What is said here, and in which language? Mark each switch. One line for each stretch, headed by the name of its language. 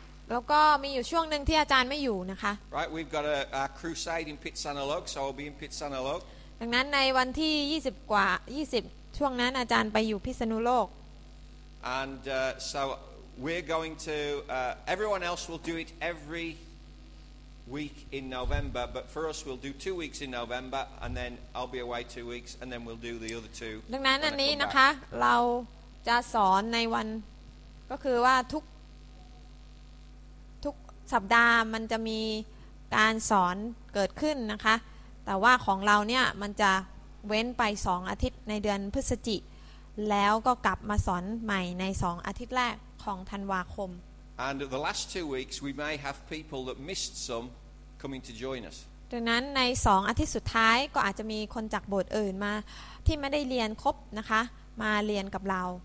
Thai: แล้วก็มีอยู่ช่วงนึงที่อาจารย์ไม่อยู่นะคะ
English: Right we've got a crusade in Pitsanulok so I'll be in Pitsanulok.
Thai: ดังนั้นในวันที่20กว่า20ช่วงนั้นอาจารย์ไปอยู่พิษณุโลก
English: And so we're going to. Everyone else will do it every week in November, but for us, we'll do 2 weeks in November, and then I'll be away 2 weeks, and then we'll do the other two.
Thai: ดังนั้นอันนี้นะคะเราจะสอนในวันก็คือว่าทุกสัปดาห์มันจะมีการสอนเกิดขึ้นนะคะแต่ว่าของเราเนี่ยมันจะเว้นไป2อาทิตย์ในเดือนพฤศจิกแล้วก็กลับมาสอนใหม่ใน2อาทิตย์แรกของธันวาคม
English: And the last 2 weeks we may have people that missed some coming to join us
Thai: ดังนั้นใน2อาทิตย์สุดท้ายก็อาจจะมีคนจากโบสถ์อื่นมาที่ไม่ได้เรียนครบนะคะมาเรียนกับเรา